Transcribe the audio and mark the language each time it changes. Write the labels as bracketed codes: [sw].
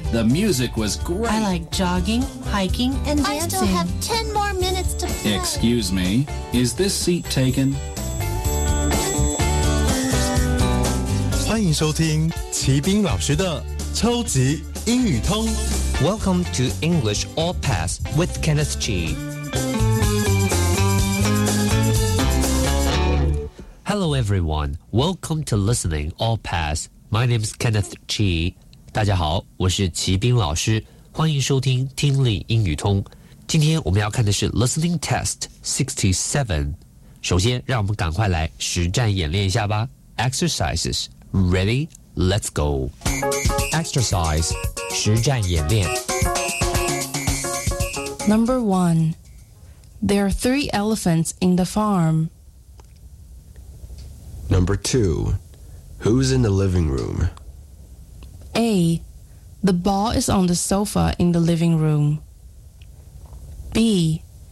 [en] Sure, the music was great. I like jogging, hiking, and dancing. I still have 10 more minutes to play. Excuse me, is this seat taken? [zh] 欢迎收听齐宾老师的超级英语通。 [en] Welcome to English All Pass with Kenneth Chi. Hello everyone, welcome to Listening All Pass. My name is Kenneth Chi. [zh] 大家好，我是齐宾老师，欢迎收听听力英语通。今天我们要看的是 Listening Test 67。首先，让我们赶快来实战演练一下吧。 [en] Exercises. Ready? Let's go. [zh] Exercise, 实战演练 [en] Number 1. There are 3 elephants in the farm. Number 2. Who's in the living room? A. The ball is on the sofa in the living room. B.